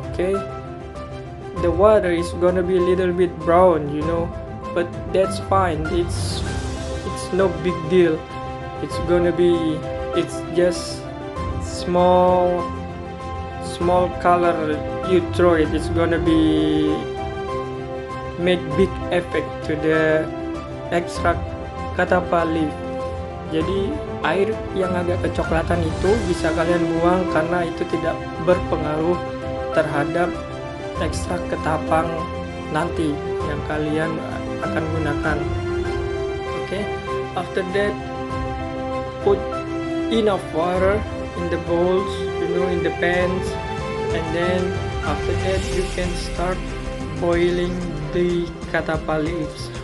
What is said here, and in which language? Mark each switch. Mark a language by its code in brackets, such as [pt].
[en] Okay, the water is gonna be a little bit brown, you know, but that's fine, it's no big deal, it's just small color you throw it, it's gonna be make big effect to the extract katapa leaf. [id] Jadi air yang agak kecoklatan itu bisa kalian buang karena itu tidak berpengaruh terhadap ekstrak ketapang nanti yang kalian akan gunakan. [en] Okay, after that put enough water in the bowls, you know, in the pans, and then after that you can start boiling the katapa leaves.